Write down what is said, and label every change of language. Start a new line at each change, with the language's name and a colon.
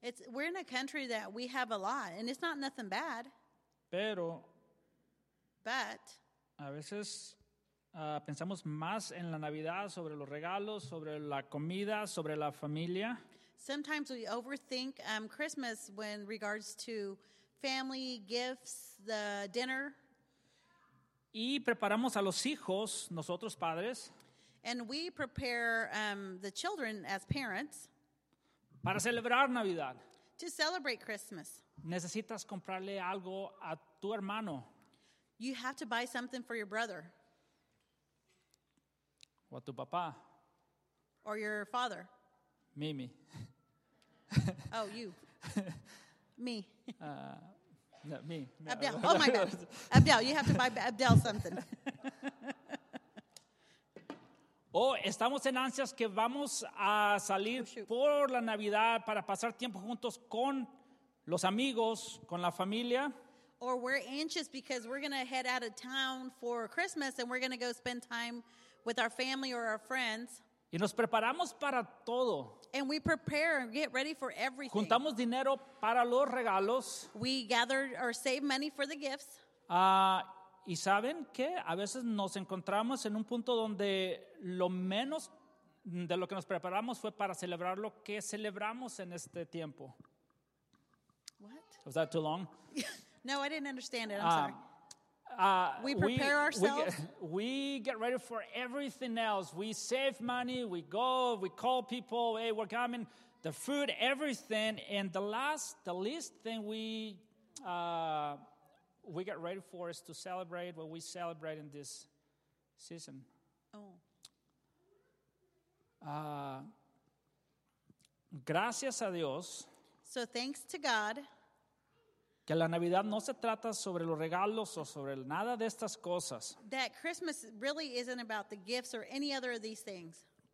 English: We're in a country that we have a lot and it's not nothing bad.
Spanish: Pero.
English: But.
Spanish: A veces pensamos más en la Navidad, sobre los regalos, sobre la comida, sobre la familia.
English: Sometimes we overthink Christmas when regards to family, gifts, the dinner.
Spanish: Y preparamos a los hijos, nosotros padres.
English: And we prepare the children as parents.
Spanish: Para celebrar Navidad.
English: To celebrate Christmas.
Spanish: Necesitas comprarle algo a tu hermano.
English: You have to buy something for your brother.
Spanish: O a tu papá.
English: Or your father. Mimi. Oh, you. Me. Me. Abdel. Oh, my bad. Abdel, you have to buy Abdel something.
Spanish: Oh, estamos en ansias que vamos a salir por la Navidad para pasar tiempo juntos con los amigos, con la familia.
English: Or we're anxious because we're going to head out of town for Christmas and we're going to go spend time with our family or our friends.
Spanish: Y nos preparamos para todo.
English: And we prepare and get ready for everything.
Spanish: Juntamos dinero para los regalos.
English: We gather or save money for the gifts.
Spanish: Y saben que a veces nos encontramos en un punto donde lo menos de lo que nos preparamos fue para celebrar lo que celebramos en este tiempo.
English: What? Was that too long? No, I didn't understand it. I'm sorry. We prepare ourselves. We get ready for everything else. We save money. We go. We call people. Hey, we're coming. The food, everything. And the least thing we get ready for is to celebrate what we celebrate in this season. Oh.
Spanish: Gracias a Dios.
English: So thanks to God.
Spanish: Que la Navidad no se trata sobre los regalos o sobre nada de estas cosas.
English: That Christmas really isn't about the gifts or any other of these things.